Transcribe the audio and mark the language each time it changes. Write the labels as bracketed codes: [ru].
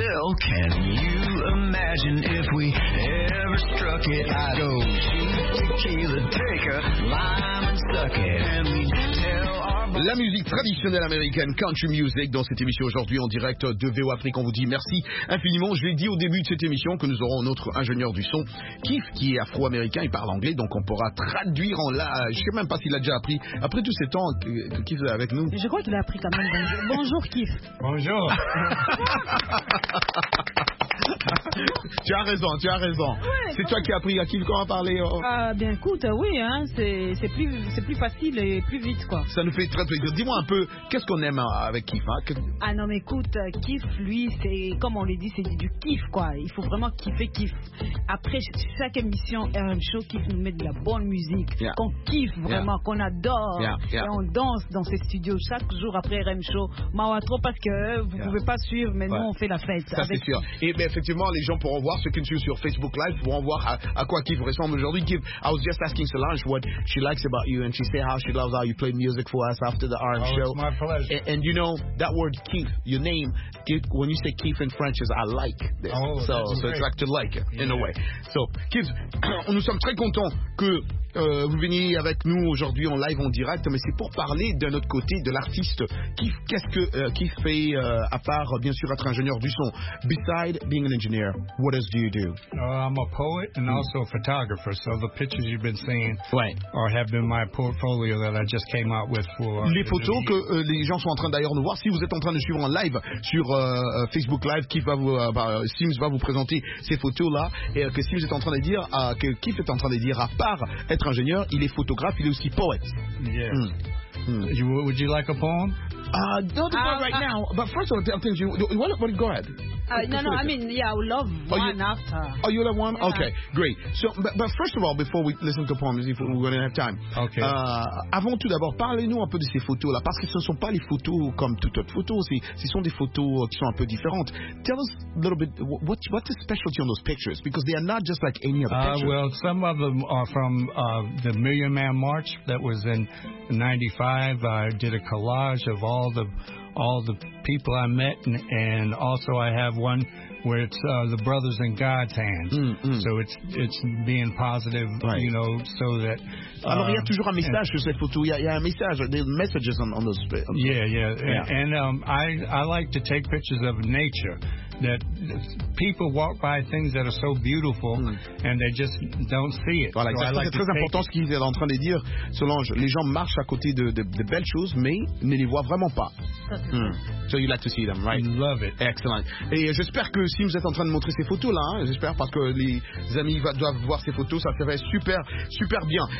[en] Can you imagine if we ever struck it? I'd go shoot tequila, take a lime and suck it, and we'd tell our boss. [fr] La musique traditionnelle américaine, country music, dans cette émission aujourd'hui en direct de VO Afrique. On vous dit merci infiniment. Je l'ai dit au début de cette émission que nous aurons notre ingénieur du son, Keith, qui est afro-américain, il parle anglais, donc on pourra traduire en live. Je ne sais même pas s'il a déjà appris. Après tout ce temps que Keith est avec nous. Je crois qu'il a appris quand même. Bonjour Keith. Bonjour. Tu as raison. Ouais, c'est toi qui as appris à qui qu'on va parler. Ah, bien écoute, oui, hein, c'est plus facile et plus vite, quoi. Ça nous fait très plaisir. Dis-moi un peu, qu'est-ce qu'on aime avec Kif, hein? Ah non, mais écoute, Kif, lui, c'est, comme on l'a dit, c'est du kif, quoi. Il faut vraiment kiffer Kif. Après chaque émission, RM Show, Kif nous met de la bonne musique. [en] Yeah. [fr] Qu'on kiffe vraiment, yeah. Qu'on adore. [en] Yeah. Yeah. [fr] Et on danse dans ces studios chaque jour après RM Show. Mawatro, parce que vous ne pouvez pas suivre, mais nous, on fait la fête. Ça, avec... c'est sûr. Et bien, effectivement, les gens pourront voir, ceux qui nous suivent sur Facebook Live pourront voir à quoi Kif ressemble aujourd'hui. [en] Kif, I was just asking Solange what she likes about you, and she said how she loves how you play music for us after the RM Show. It's my pleasure. And you know, that word Kif, your name, Kif, when you say Kif in French, is I like this. Oh, so, that's great. So it's like to like, yeah. In a way. [fr] So, Kif, nous sommes très contents que vous veniez avec nous aujourd'hui en live, en direct, mais c'est pour parler d'un autre côté de l'artiste. Kif, qu'est-ce que Kif fait à part, bien sûr, être ingénieur du son? [en] Beside being an engineer, what else do you do? I'm a poet and also a photographer, so the pictures you've been seeing are have been my portfolio that I just came out with for... [fr] Les photos que les gens sont en train d'ailleurs nous voir, si vous êtes en train de suivre en live sur Facebook Live, Kif va vous, Sims va vous présenter ces photos-là, et que Sims est en train de dire, que Kif est en train de dire, à part être ingénieur, il est photographe, il est aussi poète. [en] Yeah. Mm. Hmm. Would you like a poem? Not a poem right now. But first of all, I'll tell you. What, go ahead. I mean, yeah, I would love after. Oh, you love one? Yeah. Okay, great. So, but first of all, before we listen to poems, if we're going to have time. Okay. [fr] Avant tout d'abord, parlez-nous un peu de ces photos-là, parce que ce ne sont pas les photos comme toutes autres photos. Ce sont des photos qui sont un peu différentes. [en] Tell us a little bit, what's the specialty on those pictures? Because they are not just like any other picture. Well, some of them are from the Million Man March that was in 95. I did a collage of all the people I met, and also I have one where it's the brothers in God's hands. Mm-hmm. So it's being positive, right. You know, so that. [fr] Alors, il y a toujours un message sur cette photo. Il y a un message. [en] There's messages on those. Okay. Yeah. And I like to take pictures of nature. That people walk by things that are so beautiful and they just don't see it. [fr] Voilà, c'est très important ce qu'il est en train de dire, Solange. Les gens marchent à côté de belles choses, mais ne les voient vraiment pas. Mm. [en] So you like to see them, right? I love it. Excellent. [fr] Et j'espère que si vous êtes en train de montrer ces photos là, hein, j'espère parce que les amis doivent voir ces photos, ça serait super, super bien.